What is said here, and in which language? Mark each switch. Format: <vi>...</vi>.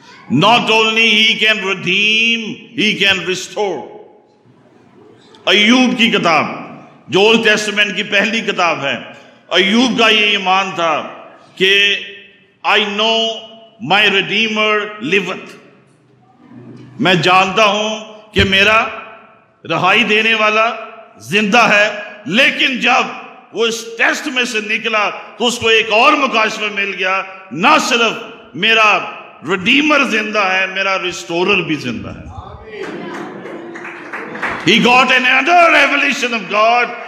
<en>Not only he can redeem, he can restore.</en> <ur>Ayub کی کتاب جو اولڈ ٹیسٹمنٹ کی پہلی کتاب ہے, ایوب کا یہ ایمان تھا کہ</ur> <en>I know my redeemer liveth,</en> <ur>میں جانتا ہوں کہ میرا رہائی دینے والا زندہ ہے. لیکن جب وہ اس ٹیسٹ میں سے نکلا تو اس کو ایک اور مکاشفہ مل گیا, نہ صرف میرا ریڈیمر زندہ ہے, میرا ریسٹورر بھی زندہ ہے.</ur> <en>He got another revelation of God.</en>